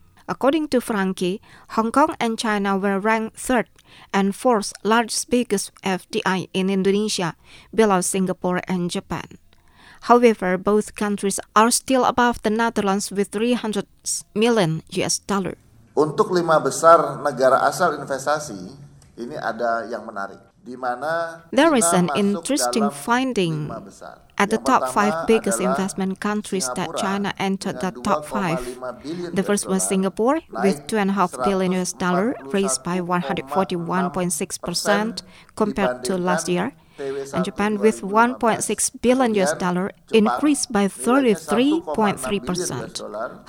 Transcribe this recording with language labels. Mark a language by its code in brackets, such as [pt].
[en] According to Frankie, Hong Kong and China were ranked third and fourth largest biggest FDI in Indonesia, below Singapore and Japan. However, both countries are still above the Netherlands with $300 million. [id] Untuk lima besar negara asal investasi, ini ada yang menarik. [en] There is an interesting finding. At the top five biggest investment countries that China entered the top five. The first was Singapore with $2.5 billion, raised by 141.6% compared to last year, and Japan with $1.6 billion, increased by 33.3%.